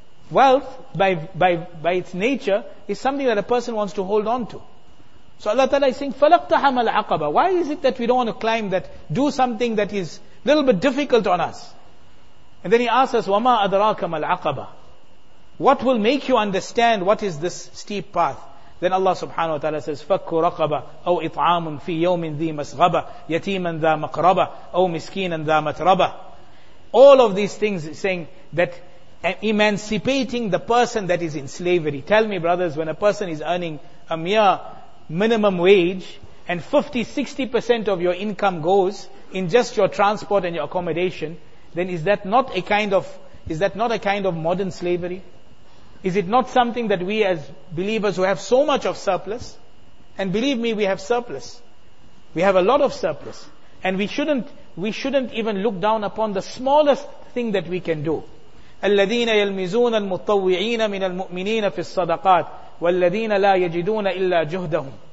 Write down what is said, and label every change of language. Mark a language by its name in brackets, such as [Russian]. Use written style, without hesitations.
[English] Wealth, by its nature, is something that a person wants to hold on to. So Allah Ta'ala is saying, [Arabic] فَلَقْتَحَمَ الْعَقَبَ. [English] Why is it that we don't want to climb that, do something that is a little bit difficult on us? And then He asks us, [Arabic] وَمَا أَدْرَاكَ مَا الْعَقَبَ. [English] What will make you understand what is this steep path? Then Allah Subhanahu Wa Ta'ala says, [Arabic] فَكُّ رَقَبَ أَوْ إِطْعَامٌ فِي يَوْمٍ ذِي مَسْغَبَ يَتِيمًا ذَا مَقْرَبَ أَوْ مِسْكِينًا ذَا مَتْرَبَ. [English] All of these things saying that emancipating the person that is in slavery. Tell me, brothers, when a person is earning a mere minimum wage and 50-60% of your income goes in just your transport and your accommodation, then is that not a kind of modern slavery? Is it not something that we as believers who have so much of surplus, and believe me, we have surplus. We have a lot of surplus. And we shouldn't even look down upon the smallest thing that we can do. [Arabic] الذين يلمزون المتطوعين من المؤمنين في الصدقات والذين لا يجدون إلا جهدهم.